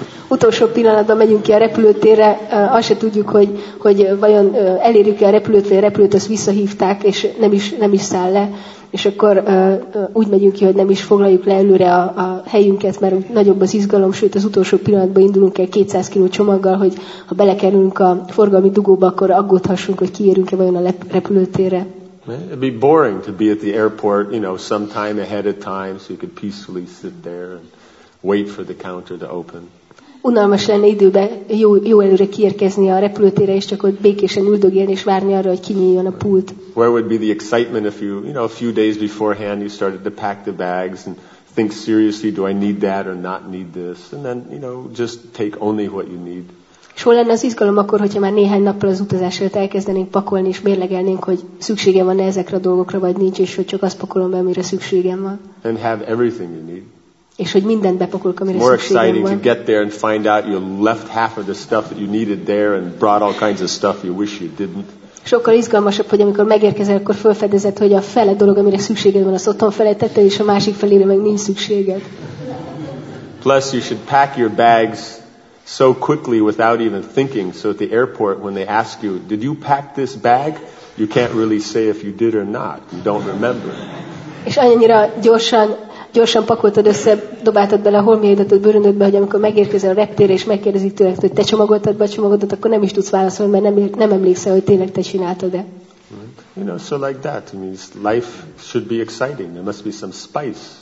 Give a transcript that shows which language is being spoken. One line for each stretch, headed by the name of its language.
Hungarian: Utolsó pillanatban megyünk ki a repülőtérre, azt se tudjuk, hogy vajon elérjük-e a repülőtér, a repülőt azt visszahívták, és nem is száll le, és akkor úgy megyünk ki, hogy nem is foglaljuk le előre a helyünket, mert nagyobb az izgalom, sőt az utolsó pillanatban indulunk el 200 kiló csomaggal, hogy ha belekerülünk a forgalmi dugóba, akkor aggódhassunk, hogy kiérünk-e vajon a repülőtérre.
English: It'd be boring to be at the airport, you know, some time ahead of time, so you could peacefully sit there and wait for the counter to open.
Hungarian: Unalmas lenne időben jó előre kiérkezni a repülőtérre, és csak ott békésen üldögélni és várni arra, hogy kinyíljon a pult.
English: Where would be the excitement if you, you know, a few days beforehand you started to pack the bags and think seriously, do I need that or not need this? And then, you know, just take only what you need.
Hungarian: És hol lenne az izgalom akkor, hogyha már néhány nappal az utazás előtt elkezdenénk pakolni és mérlegelnénk, hogy szükségem van-e ezekre a dolgokra, vagy nincs, és hogy csak azt pakolom be, amire szükségem van.
English: And have everything you need.
Hungarian: És hogy mindent bepakolok, amire szükségem van.
English: More exciting to get there and find out you left half of the stuff that you needed there and brought all kinds of stuff you wish you didn't.
Hungarian: Sokkal izgalmasabb, hogy amikor megérkezel, akkor felfedezed, hogy a fele dolog, amire szükséged van, azt otthon felejtetted, és a másik felére meg nincs szükséged.
English: Plus you should pack your bags so quickly without even thinking, so at the airport when they ask you, did you pack this bag? You can't really say if you did or not. You don't remember.
Hungarian: És annyira gyorsan pakoltad össze, dobáltad bele a holmiaidat a bőröndödbe, hogy amikor megérkezel a reptérre és megkérdezik tőled, hogy te csomagoltad be a csomagodat, akkor nem is tudsz válaszolni, mert nem emlékszel, hogy tényleg te csináltad-e.
English: You know, so like that. I mean, life should be exciting. There must be some spice.